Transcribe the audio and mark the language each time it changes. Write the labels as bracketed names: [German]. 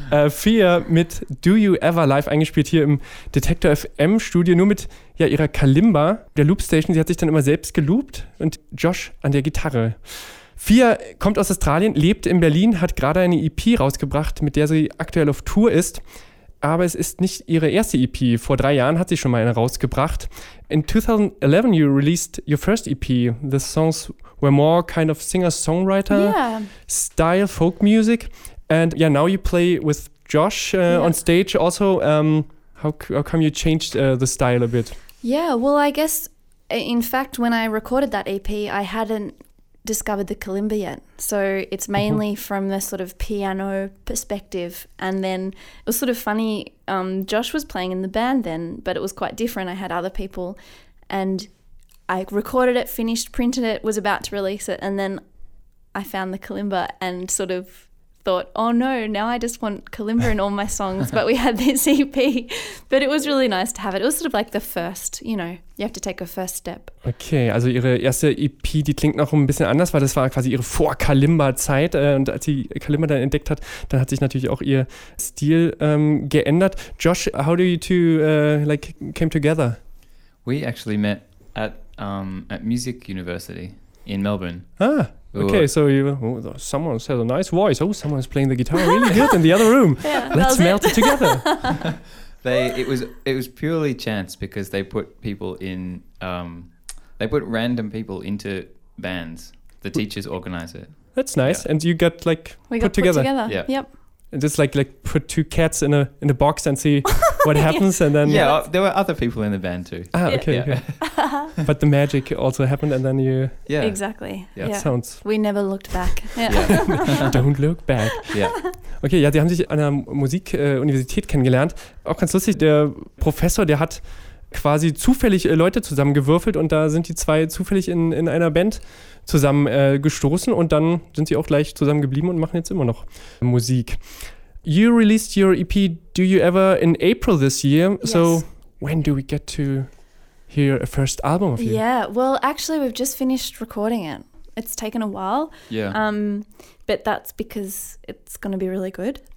[German] Fia mit Do You Ever live eingespielt hier im Detektor FM Studio, nur mit ja, ihrer Kalimba, der Loopstation. Sie hat sich dann immer selbst geloopt und Josh an der Gitarre. Fia kommt aus Australien, lebt in Berlin, hat gerade eine EP rausgebracht, mit der sie aktuell auf Tour ist. Aber es ist nicht ihre erste EP. Vor 3 Jahren hat sie schon mal eine rausgebracht. [English] In 2011 you released your first EP. The songs were more kind of singer-songwriter style folk music. And yeah, now you play with Josh on stage also. How come you changed the style a bit? Yeah, well, I guess, in fact, when I recorded that EP, I hadn't discovered the kalimba yet. So it's mainly from the sort of piano perspective. And then it was sort of funny, Josh was playing in the band then, but it was quite different. I had other people and I recorded it, finished, printed it, was about to release it. And then I found the kalimba and sort of thought, oh no, now I just want kalimba in all my songs. But we had this EP, but it was really nice to have it. It was sort of like the first, you know, you have to take a first step. [German] Okay, also ihre erste EP, die klingt noch ein bisschen anders, weil das war quasi ihre Vor-Kalimba-Zeit. Und als sie Kalimba dann entdeckt hat, dann hat sich natürlich auch ihr Stil geändert. [English] Josh, how do you two came together? We actually met at Music University in Melbourne. Ah, okay, so someone has a nice voice. Oh, someone's playing the guitar really good in the other room. Yeah, let's melt it together. It was purely chance because they put people in, they put random people into bands. The teachers organize it. That's nice. Yeah. And you got like put together. Yeah. Yep. And just like put two cats in a box and see what happens. Yeah. And then yeah, there were other people in the band too. Ah, okay. Yeah. Okay. But the magic also happened, and then you. Yeah. Exactly. Yeah. Yeah. Sounds. We never looked back. Yeah. Don't look back. Yeah. [German] Okay, ja, sie haben sich an der Musikuniversität kennengelernt. Auch ganz lustig, der Professor, der hat quasi zufällig Leute zusammengewürfelt und da sind die zwei zufällig in einer Band zusammen gestoßen und dann sind sie auch gleich zusammen geblieben und machen jetzt immer noch Musik. [English] You released your EP Do You Ever in April this year. Yes. So when do we get to hear a first album of you? Yeah, well, actually we've just finished recording it. It's taken a while. Yeah. But that's because it's going to be really good.